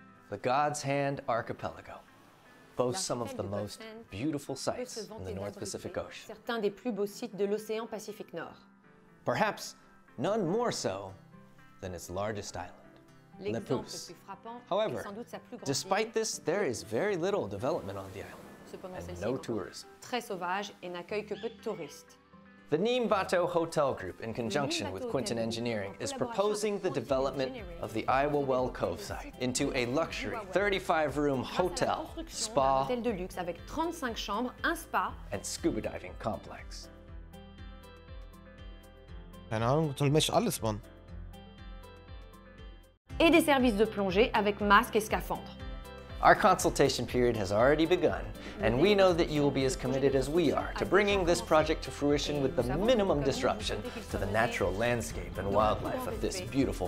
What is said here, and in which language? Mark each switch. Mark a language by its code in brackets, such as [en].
[en] The God's Hand Archipelago boasts some of the most beautiful sights in the North Pacific Ocean. [fr] Certains des plus beaux sites de l'océan Pacifique Nord. [en] Perhaps none more so than its largest island, Lepus. However, despite this, there is very little development on the island. And no tourists. [fr] Très sauvage et n'accueille que peu de touristes. [en] The Neem Bato Hotel Group, in conjunction with Quinton Engineering, is proposing the development of the Iowa Well Cove site into a luxury 35-room hotel, spa, and scuba diving complex. [de] Keine Ahnung, du mischst alles, Mann. [fr] Et des services de plongée avec masque et scaphandre. [en] Our consultation period has already begun, and we know that you will be as committed as we are to bringing this project to fruition with the minimum disruption to the natural landscape and wildlife of this beautiful